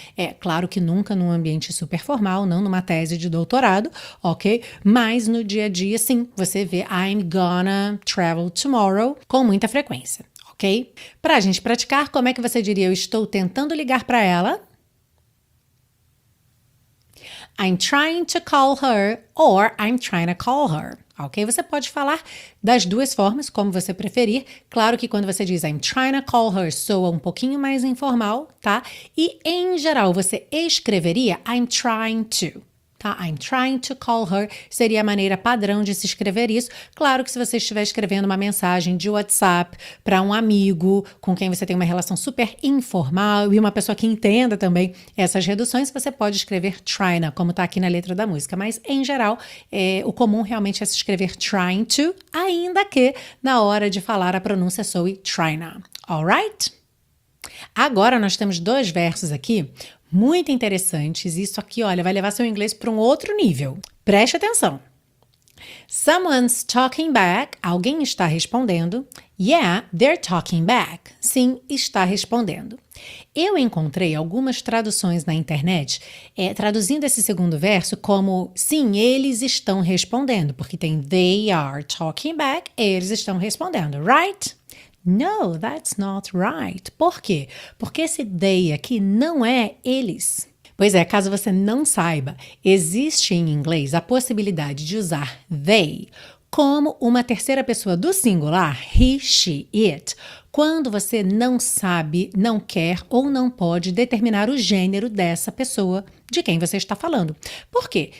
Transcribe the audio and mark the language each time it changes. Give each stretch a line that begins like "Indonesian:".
Portuguese: É claro que nunca num ambiente super formal, não numa tese de doutorado, ok? Mas no dia a dia, sim, você vê
English: I'm gonna travel tomorrow
Portuguese: com muita frequência. Ok? Para a gente praticar, como é que você diria eu estou tentando ligar para ela?
English: I'm trying to call her or I'm trying to call her. Ok?
Portuguese: Você pode falar das duas formas, como você preferir. Claro que quando você diz
English: I'm trying to call her,
Portuguese: soa um pouquinho mais informal, tá? E em geral, você escreveria
English: I'm trying to. I'm trying to call her,
Portuguese: seria a maneira padrão de se escrever isso. Claro que se você estiver escrevendo uma mensagem de WhatsApp para um amigo com quem você tem uma relação super informal e uma pessoa que entenda também essas reduções, você pode escrever trying, como está aqui na letra da música. Mas, em geral, o comum realmente é se escrever
English: trying to,
Portuguese: ainda que na hora de falar a pronúncia soe trying.
English: Alright?
Portuguese: Agora nós temos dois versos aqui muito interessantes. Isso aqui, olha, vai levar seu inglês para um outro nível. Preste atenção.
English: Someone's talking back.
Portuguese: Alguém está respondendo.
English: Yeah, they're talking back.
Portuguese: Sim, está respondendo. Eu encontrei algumas traduções na internet traduzindo esse segundo verso como sim, eles estão respondendo. Porque tem
English: they are talking back.
Portuguese: Eles estão respondendo,
English: right? No, that's not right.
Portuguese: Por quê? Porque esse they aqui não é eles. Pois é, caso você não saiba, existe em inglês a possibilidade de usar they como uma terceira pessoa do singular,
English: he, she, it,
Portuguese: quando você não sabe, não quer ou não pode determinar o gênero dessa pessoa de quem você está falando. Por quê?